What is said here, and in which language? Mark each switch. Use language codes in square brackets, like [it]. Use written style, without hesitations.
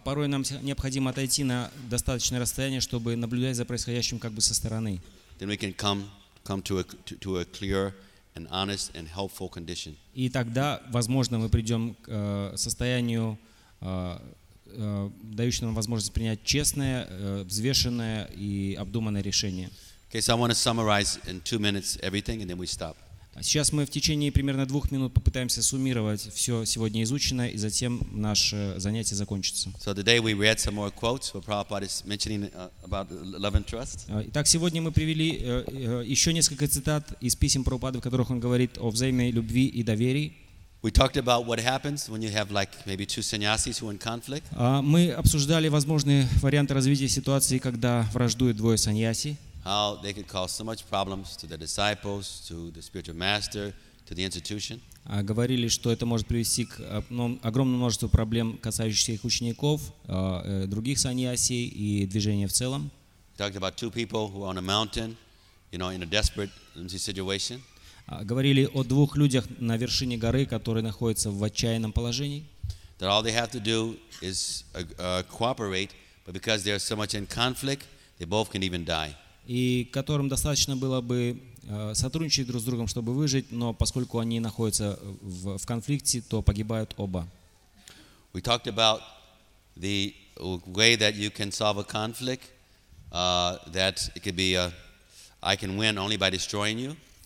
[ru] Порой нам необходимо отойти на достаточное расстояние, чтобы наблюдать за происходящим как бы со стороны. [en] Then we can come to a clearer an honest and helpful condition. [ru] И тогда, возможно, мы придем к состоянию, дающему нам возможность принять честное, взвешенное и обдуманное решение. [en] Okay, so I want to summarize in 2 minutes everything, and then we stop. [ru] Сейчас мы в течение примерно 2 минут попытаемся суммировать все сегодня изученное, и затем наше занятие закончится. [en] So today we read some more quotes where Prabhupada is mentioning about love and trust. [ru] Итак, сегодня мы привели еще несколько цитат из писем Прабхупады, в которых он говорит о взаимной любви и доверии. [en] We talked about what happens when you have like maybe two sannyasis who are in conflict. [ru] Мы обсуждали возможные варианты развития ситуации, когда враждуют двое саньяси. [en] How they could cause so much problems to the disciples, to the spiritual master, to the institution. [ru] Говорили, что это может привести к огромному множеству проблем, касающихся их учеников, других саньяси и движения в целом. [en] talked about two people who are on a mountain, you know, in a desperate situation. [ru] Говорили о двух людях на вершине горы, которые находятся в отчаянном положении. [en] That all they have to do is cooperate, but because they are so much in conflict, they both can even die. [ru] И которым достаточно было бы сотрудничать друг с другом, чтобы выжить, но поскольку они находятся в конфликте, то погибают оба. [en] We talked about the way that you can solve a conflict, that it could be I can win only by destroying you.